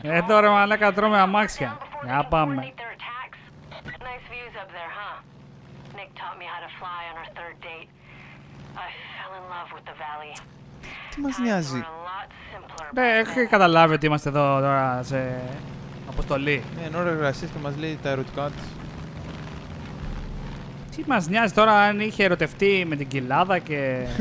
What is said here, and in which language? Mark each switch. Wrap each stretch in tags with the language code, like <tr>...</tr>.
<el>Εδώ ρε μαλάκα τρώμε αμάξια. Για πάμε.</el> <en>Nice views up there, huh? Nick taught me how to fly on our third date. I fell in love with the valley.</en> <el>Τι μας νοιάζει. Ναι, έχει καταλάβει ότι είμαστε εδώ τώρα σε αποστολή. Ναι, ενώ εργασίες και μας λέει τα ερωτικά της. Τι μας νοιάζει τώρα αν είχε ερωτευτεί με την κοιλάδα και...</el>